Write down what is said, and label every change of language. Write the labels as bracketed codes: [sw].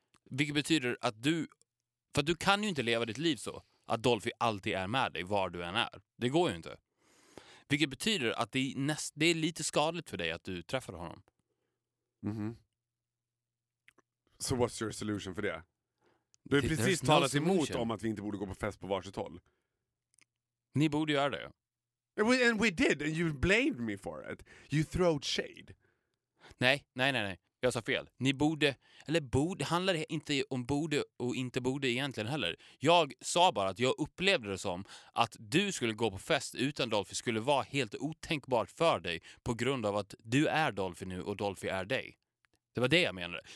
[sv] Vilket betyder att du, för att du kan ju inte leva ditt liv så, att Dolphy alltid är med dig, var du än är. Det går ju inte. Vilket betyder att det är lite skadligt för dig att du träffar honom. Mm-hmm. [en] So what's your solution [sv] för det? Du har precis talat emot om att vi inte borde gå på fest på varsitt håll. Ni borde göra det. [en] And we did, and you blamed me for it. You threw shade. [sv] Nej. Jag sa fel. Ni borde, eller borde, handlar det inte om borde och inte borde egentligen heller. Jag sa bara att jag upplevde det som att du skulle gå på fest utan Dolphy skulle vara helt otänkbart för dig på grund av att du är Dolphy nu och Dolphy är dig. Det var det jag menade.